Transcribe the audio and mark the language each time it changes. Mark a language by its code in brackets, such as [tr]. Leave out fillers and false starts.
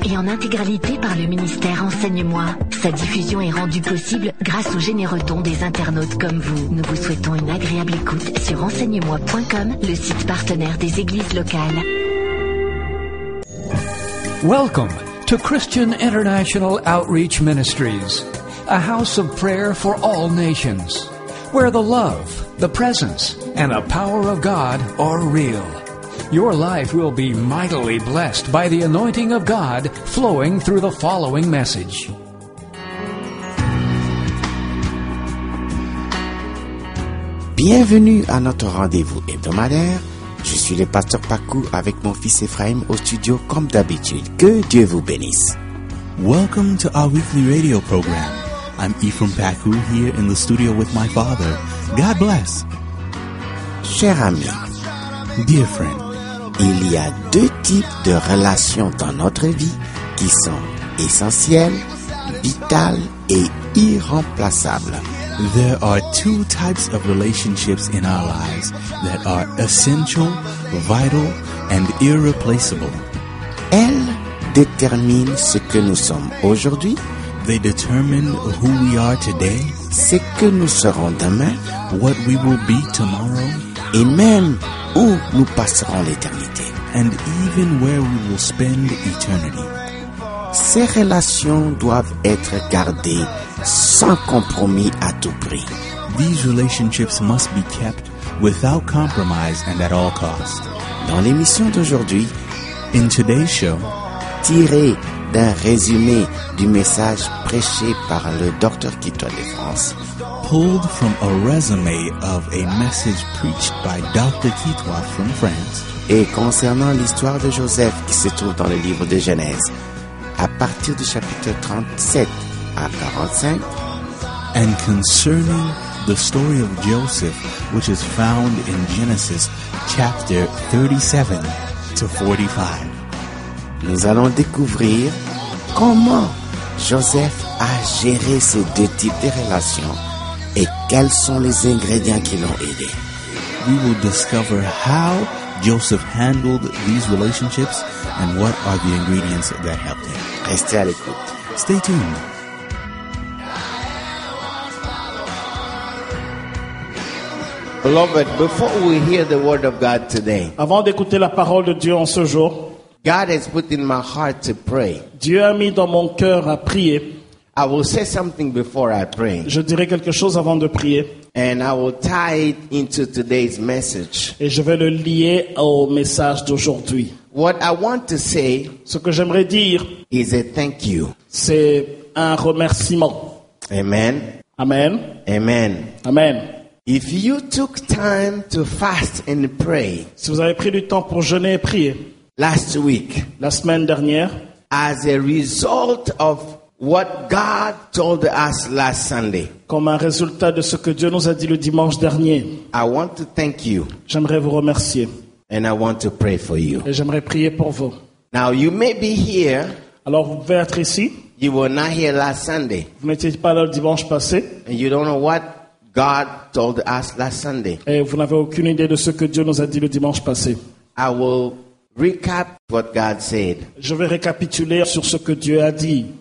[fr] Et en intégralité par le ministère Enseigne-moi. Sa diffusion est rendue possible grâce aux généreux dons des internautes comme vous. Nous vous souhaitons une agréable écoute sur enseignemoi.com, le site partenaire des églises locales. [en] Welcome to Christian International Outreach Ministries, a house of prayer for all nations, where the love, the presence, and the power of God are real. Your life will be mightily blessed by the anointing of God flowing through the following message. [fr] Bienvenue à notre rendez-vous hebdomadaire. Je suis le pasteur Pakou avec mon fils Ephraim au studio comme d'habitude. Que Dieu vous bénisse. [en] Welcome to our weekly radio program. I'm Ephraim Pakou here in the studio with my father. God bless. [fr] Cher ami, [en] dear friend, [fr] il y a deux types de relations dans notre vie qui sont essentielles, vitales et irremplaçables. [en] There are two types of relationships in our lives that are essential, vital, and irreplaceable. [fr] Elles déterminent ce que nous sommes aujourd'hui. [en] They determine who we are today. [fr] Ce que nous serons demain. [en] What we will be tomorrow. [fr] Et même où nous passerons l'éternité. [en] And even where we will spend eternity. [fr] Ces relations doivent être gardées sans compromis à tout prix. [en] These relationships must be kept without compromise and at all costs. [fr] Dans l'émission d'aujourd'hui, [en] in today's show, [fr] tiré d'un résumé du message prêché par le docteur Kitoa de France, [en] pulled from a resume of a message preached by Dr. Kitoa from France, [fr] et concernant l'histoire de Joseph qui se trouve dans le livre de Genèse, à partir du chapitre 37 à 45, [en] and concerning the story of Joseph, which is found in Genesis chapter 37 to 45, [fr] nous allons découvrir comment Joseph a géré ces deux types de relations et quels sont les ingrédients qui l'ont aidé. [en] We will discover how Joseph handled these relationships and what are the ingredients that helped him. [fr] Restez à l'écoute. [en] Stay tuned. Beloved, before we hear the word of God today, [fr] avant d'écouter la parole de Dieu en ce jour, [en] God has put in my heart to pray. [fr] Dieu a mis dans mon cœur à prier. [en] I will say something before I pray. [fr] Je dirai quelque chose avant de prier. [en] And I will tie it into today's message. [fr] Et je vais le lier au message d'aujourd'hui. [en] What I want to say, [fr] ce que j'aimerais dire, [en] is a thank you. [fr] C'est un remerciement. [en] Amen. [fr] Amen. [en] Amen. [fr] Amen. [en] If you took time to fast and pray, [fr] si vous avez pris du temps pour jeûner et prier, [en] last week, [fr] la semaine dernière, [en] as a result of what God told us last Sunday, [fr] comme un résultat de ce que Dieu nous a dit le dimanche dernier, [en] I want to thank you. [fr] J'aimerais vous remercier. [en] And I want to pray for you. [fr] Et j'aimerais prier pour vous. [en] Now you may be here. [fr] Alors vous pouvez être ici. [en] You were not here last Sunday. [fr] Vous n'étiez pas là le dimanche passé. [en] And you don't know what God told us last Sunday. [fr] Et vous n'avez aucune idée de ce que Dieu nous a dit le dimanche passé. [en] I will recap what God said. [fr] Je vais récapituler sur ce que Dieu a dit.